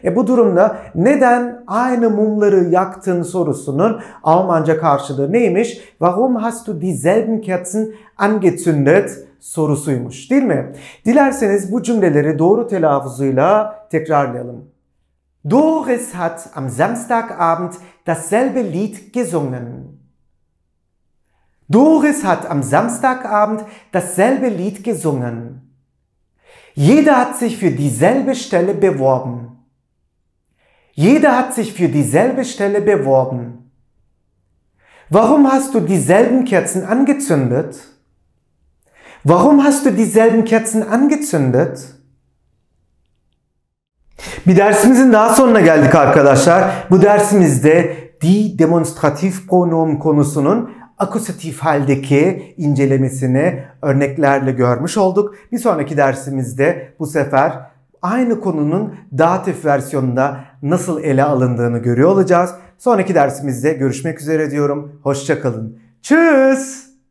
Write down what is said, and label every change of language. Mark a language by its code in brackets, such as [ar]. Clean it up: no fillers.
[tr] Bu durumda neden aynı mumları yaktın sorusunun Almanca karşılığı neymiş? [de] Warum hast du dieselben Kerzen angezündet [tr] sorusuymuş değil mi? Dilerseniz bu cümleleri doğru telaffuzuyla tekrarlayalım. [de] Doris hat am Samstagabend dasselbe Lied gesungen. Doris hat am Samstagabend dasselbe Lied gesungen. Jeder hat sich für dieselbe Stelle beworben. Jeder hat sich für dieselbe Stelle beworben. Warum hast du dieselben Kerzen angezündet? Warum hast du dieselben Kerzen angezündet? [tr] Bir dersimizin daha sonuna geldik arkadaşlar. Bu dersimizde die Demonstrativpronomen konusunun akusatif haldeki incelemesini örneklerle görmüş olduk. Bir sonraki dersimizde bu sefer aynı konunun datif versiyonunda nasıl ele alındığını görüyor olacağız. Sonraki dersimizde görüşmek üzere diyorum. Hoşça kalın. Tschüss.